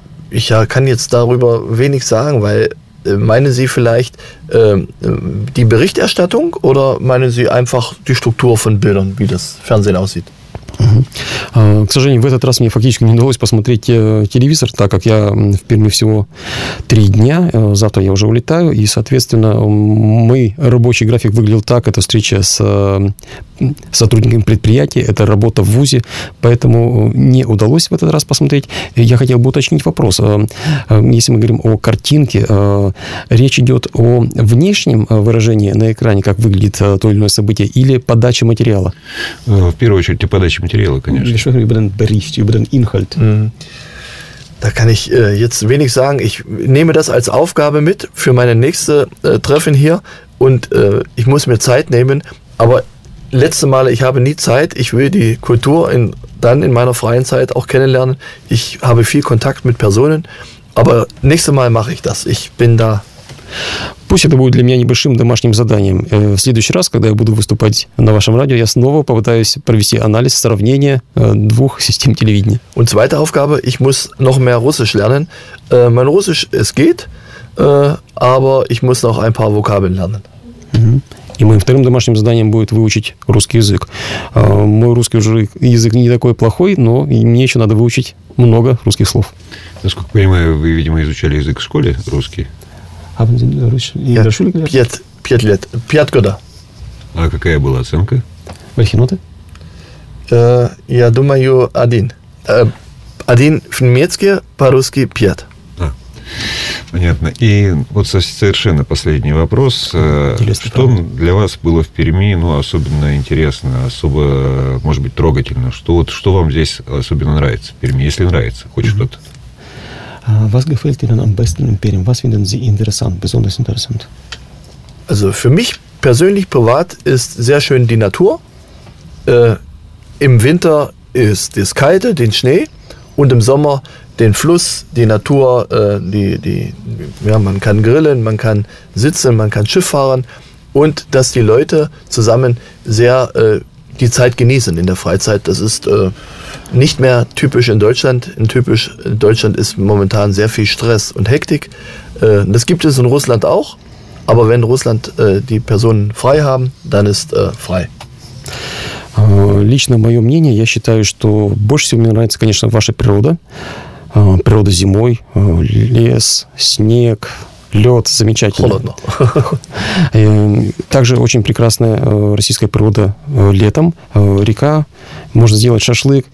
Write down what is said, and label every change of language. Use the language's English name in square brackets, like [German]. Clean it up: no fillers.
[German] Ich kann jetzt darüber wenig sagen, weil meinen Sie vielleicht die Berichterstattung oder meinen Sie einfach die Struktur von Bildern, wie das Fernsehen aussieht? [Russian] К сожалению, в этот раз мне фактически не удалось посмотреть телевизор, так как я в Перми всего 3 дня, завтра я уже улетаю, и, соответственно, мой рабочий график выглядел так, это встреча с сотрудниками предприятия, это работа в ВУЗе, поэтому не удалось в этот раз посмотреть. Я хотел бы уточнить вопрос. Если мы говорим о картинке, речь идет о внешнем выражении на экране, как выглядит то или иное событие, или подача материала? В первую очередь, подача материала, конечно. [German] Wir sprechen über den Bericht, über den Inhalt. Mhm. Da kann ich jetzt wenig sagen. Ich nehme das als Aufgabe mit für meine nächste Treffen hier und ich muss mir Zeit nehmen, aber letzte Mal, ich habe nie Zeit. Ich will die Kultur dann in meiner freien Zeit auch kennenlernen. Ich habe viel Kontakt mit Personen, aber nächste Mal mache ich das. Ich bin da. [Russian] Пусть это будет для меня небольшим домашним заданием. В следующий раз, когда я буду выступать на вашем радио, я снова попытаюсь провести анализ, сравнение 2 систем телевидения. [German] Und zweite Aufgabe, ich muss noch mehr Russisch lernen. Mein Russisch, es geht, aber ich muss noch ein paar Vokabeln lernen. [Russian] И моим вторым домашним заданием будет выучить русский язык. Мой русский язык не такой плохой, но мне еще надо выучить много русских слов. Насколько понимаю, вы, видимо, изучали язык в школе русский. [German] Haben Sie in der Schule gelernt? [Russian] Пять года. А какая была оценка? [German] Welche Note? [Russian] Я думаю, один. Один в немецке, по-русски пять. Понятно. И вот совершенно последний вопрос. Интересный, что правда для вас было в Перми, ну, особенно интересно, особо, может быть, трогательно? Что вам здесь особенно нравится в Перми, если нравится хоть mm-hmm. что-то? [German] Was gefällt Ihnen am besten in Perm? Was finden Sie interessant, besonders interessant? Also für mich persönlich, privat, ist sehr schön die Natur. Im Winter ist das Kalte, den Schnee. Und im Sommer den Fluss, die Natur. Man kann grillen, man kann sitzen, man kann Schiff fahren. Und dass die Leute zusammen sehr die Zeit genießen in der Freizeit. Das ist nicht mehr typisch in Deutschland. In Deutschland ist momentan sehr viel Stress und Hektik. Das gibt es in Russland auch. Aber wenn Russland die Personen frei haben, dann ist frei. [Russian] Лично мое мнение, я считаю, что больше всего мне нравится, конечно, ваша природа. Природа зимой, лес, снег, лед, замечательно. Холодно. Также очень прекрасная российская природа летом, река, можно сделать шашлык.